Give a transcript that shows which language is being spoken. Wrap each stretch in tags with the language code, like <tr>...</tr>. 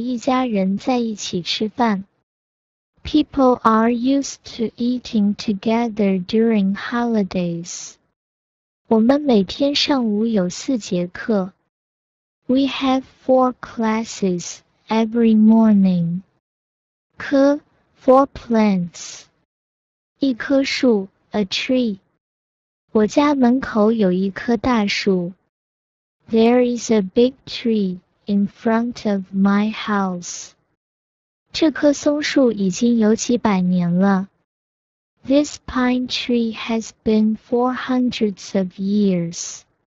<zh>人们习惯过节时一家人在一起吃饭.</zh> <en>People are used to eating together during holidays.</en> <zh>我们每天上午有4节课.</zh> <en>We have 4 classes every morning. 棵, 4 plants.</en> <zh>一棵树,</zh> <en>a tree.</en> <zh>我家门口有一棵大树.</zh> <en>There is a big tree in front of my house.</en> <zh>这棵松树已经有几百年了.</zh> <en>This pine tree has been for hundreds of years.</en>